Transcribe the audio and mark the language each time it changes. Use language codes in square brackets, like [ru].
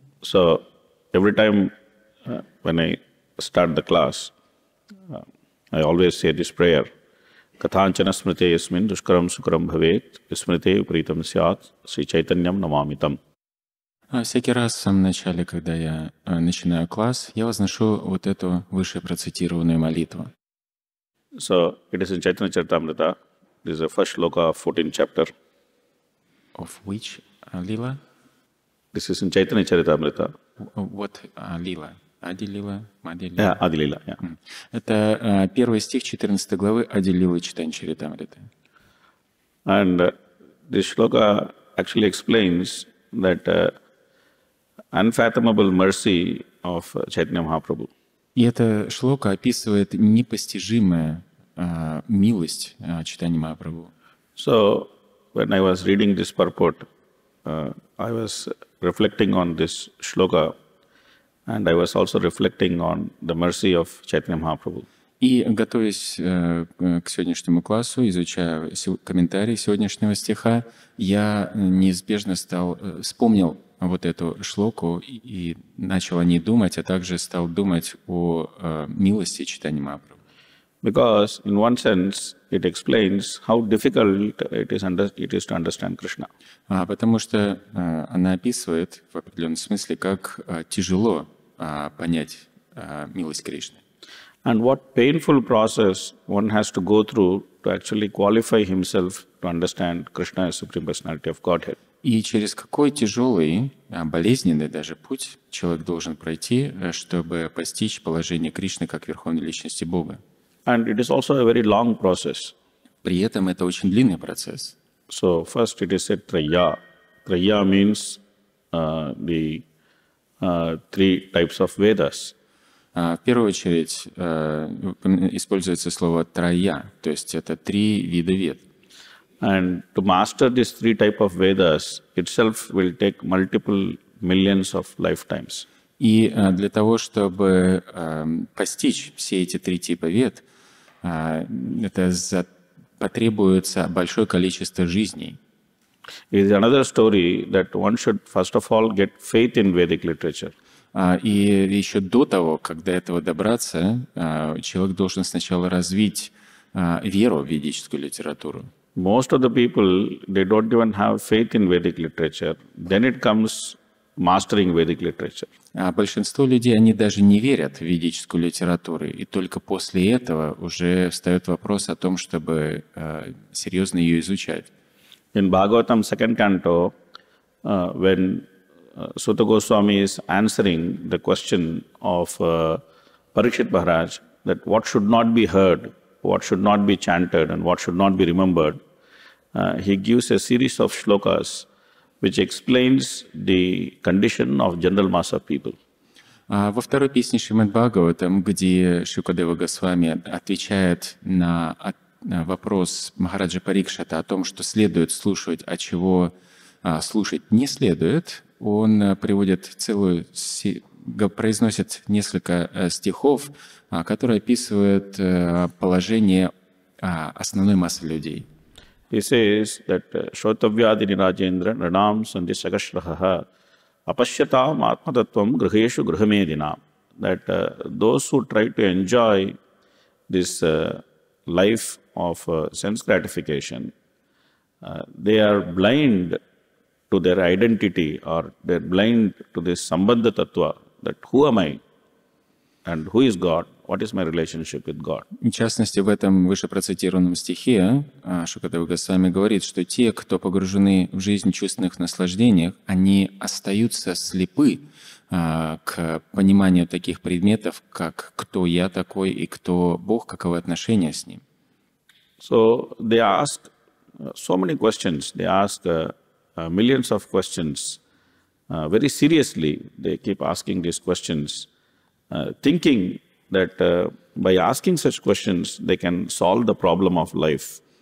[en] so every time when I start the class I always say this prayer [sa] కథాంచన స్మృతే యస్మిన్ దుష్కరం సుకరం భవేత్ విస్మృతే Pritam స్యాత్ శ్రీచైతన్యం నమామితం. [ru] Всякий раз в самом начале, когда я начинаю класс, я возношу вот эту выше процитированную молитву. [en] So, it is in Chaitanya Charitamrita. This is the first shloka of 14th chapter. Of which lila? This is in Chaitanya Charitamrita. What lila? Адилила, [ru] Мадилила. Да, Адилила, да. Это первый стих 14 главы Адилилы Чайтанья Чаритамриты. [en] And this shloka actually explains that unfathomable mercy of Chaitanya Mahaprabhu. [ru] И эта шлока описывает непостижимую милость Чайтанья Махапрабху. [en] So, when I was reading this purport, I was reflecting on this shloka. And I was also reflecting on the mercy of Chaitanya Mahaprabhu. [ru] И готовясь к сегодняшнему классу, изучая комментарии сегодняшнего стиха, я неизбежно вспомнил вот эту шлоку и начал о ней думать, а также стал думать о милости Чайтанья Махапрабху. [en] Because in one sense it explains how difficult it is to understand Krishna. [ru] Потому что она описывает в определенном смысле, как тяжело понять милость Кришны. [en] And what painful process one has to go through to actually qualify himself to understand Krishna as Supreme Personality of Godhead. [ru] И через какой тяжелый, болезненный даже путь человек должен пройти, чтобы постичь положение Кришны как Верховной Личности Бога. [en] And it is also a very long process. [ru] При этом это очень длинный процесс. [en] So first it is said Trayya. Trayya means the three types of Vedas. [ru] В первую очередь используется слово Трая, то есть это три вида вед. [en] And to master these three type of Vedas itself will take multiple millions of lifetimes. [ru] И для того, чтобы постичь все эти три типа вед, это потребуется большое количество жизней. [en] It is another story that one should first of all get faith in Vedic literature. [ru] И еще до того, как до этого добраться, человек должен сначала развить веру в ведическую литературу. [en] Most of the people, they don't even have faith in Vedic literature. Then it comes mastering Vedic literature. [ru] Большинство людей, они даже не верят в ведическую литературу. И только после этого уже встает вопрос о том, чтобы серьезно ее изучать. [en] In Bhagavatam, second canto, when Suta Goswami is answering the question of Parikshit Maharaj, that what should not be heard, what should not be chanted, and what should not be remembered, he gives a series of shlokas which explains the condition of general mass of people. [ru] Во второй песне Шримад Бхагаватам, где Шукадева Госвами отвечает на вопрос Махараджа Парикшита о том, что следует слушать, а чего слушать не следует, он приводит целую, произносит несколько стихов, которые описывают положение основной массы людей. [en] He says that [sa] Shrotavyadini Rajendra Ranam Sandhi Sagashraha Apashyatam Atmatattvam Grihesu Grihamedina. [en] That those who try to enjoy this life of sense gratification, they are blind to their identity, or they're blind to this sambandha tattva, that who am I and who is God, what is my relationship with God. [ru] В частности, в этом выше процитированном стихе Шукадева Госвами говорит, что те, кто погружены в жизнь чувственных наслаждениях, они остаются слепы к пониманию таких предметов, как кто я такой и кто Бог, каковы отношения с Ним. [en] So they ask so many questions. They ask millions of questions, very seriously they keep asking these questions, thinking that by asking such questions they can solve the problem of life.